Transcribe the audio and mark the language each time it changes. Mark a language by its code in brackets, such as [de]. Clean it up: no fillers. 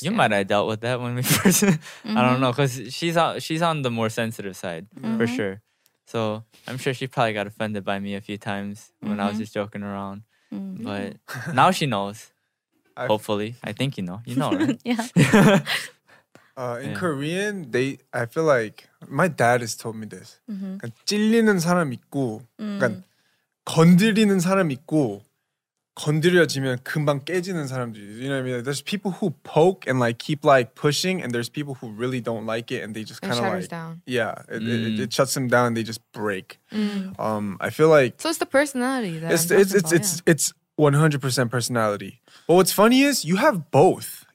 [en] You might have dealt with that when we first. I don't know, cause she's on the more sensitive side for sure. So I'm sure she probably got offended by me a few times when I was just joking around. But now she knows. Hopefully. I think you know. You know, right? Yeah. Korean, they… I feel like… My dad has told me this. Mm-hmm. [ko] 찔리는 사람 있고… 건드리는 사람 있고… 건드려지면 금방 깨지는 사람들. [en] You know what I mean? There's people who poke and like keep like pushing. And there's people who really don't like it. And they just kind of like… down. Yeah. It shuts them down and they just break. Mm. I feel like… So it's the personality. It's 100% personality. But what's funny is you have both.